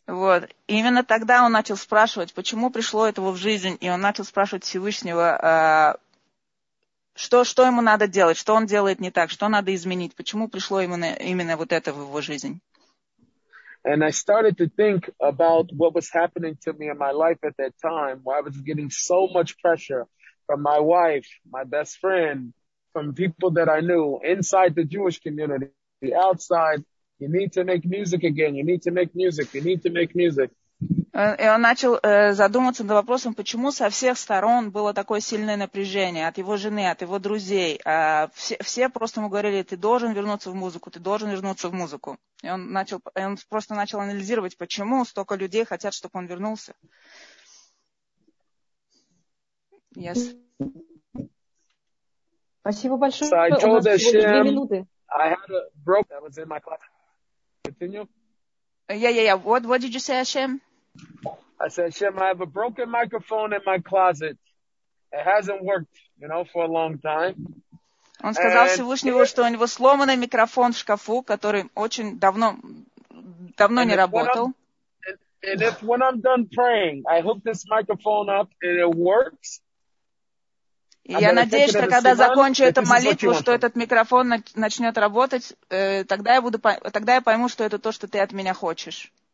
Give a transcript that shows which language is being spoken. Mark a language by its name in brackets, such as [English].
[Russian] Вот. Именно тогда он начал спрашивать, почему пришло этого в жизнь, и он начал спрашивать Всевышнего, что ему надо делать, что он делает не так, что надо изменить, почему пришло именно вот это в его жизнь. [English] And I started to think about what was happening to me in my life at that time, why I was getting so much pressure from my wife, my best friend, from people that I knew inside the Jewish community, the outside, you need to make music again, you need to make music, you need to make music. [Russian] И он начал задумываться над вопросом, почему со всех сторон было такое сильное напряжение от его жены, от его друзей. Все просто ему говорили, ты должен вернуться в музыку, ты должен вернуться в музыку. И он просто начал анализировать, почему столько людей хотят, чтобы он вернулся. [English] Yes. [Russian] Спасибо большое. [English] So I told Hashem, I had a broke that was in my class. Continue. Yeah. What did you say, Hashem? I said, Hashem, I have a broken microphone in my closet. It hasn't worked, you know, for a long time. [Russian] Он сказал Всевышнему, что у него сломанный микрофон в шкафу, который очень давно не работал. [English] And if when I'm done praying, I hook this microphone up and it works. [Russian] Я надеюсь, что когда закончу эту молитву, что этот микрофон начнет работать, тогда я пойму, что это то, что ты от меня хочешь.